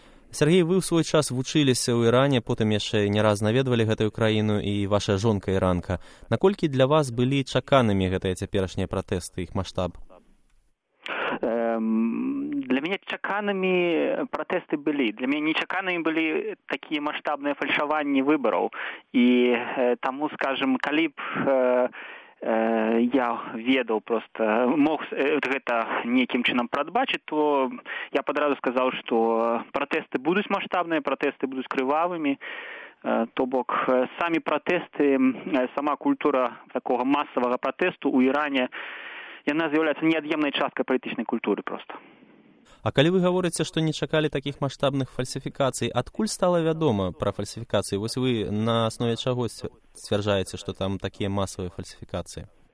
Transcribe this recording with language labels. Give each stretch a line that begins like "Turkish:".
Belarusian: Сергей, вы ў свой час вучыліся ў Іране, потым яшчэ не раз наведвалі гэтую краіну і ваша жонка іранка. Наколькі для вас былі чаканымі гэтыя цяперашнія пратэсты, іх маштаб? Для мяне чаканымі пратэсты былі. Для мяне нечаканымі былі такія маштабныя фальшаванні выбараў. І таму, скажам, калі б...
Russian: я ведал просто, мог это неким чином продбачить, то я подразу сказал, что протесты будут масштабные, протесты будут кривавыми, то бок сами протесты, сама культура такого массового протесту у Иране, она является неотъемной часткой политической культуры просто.
Belarusian: А калі вы гаворыце, што не чакалі такіх маштабных фальсіфікацый, адкуль стала вядома пра фальсіфікацыі? Вось вы на аснове чаго сцвярджаеце, што там такія масавыя фальсіфікацыі?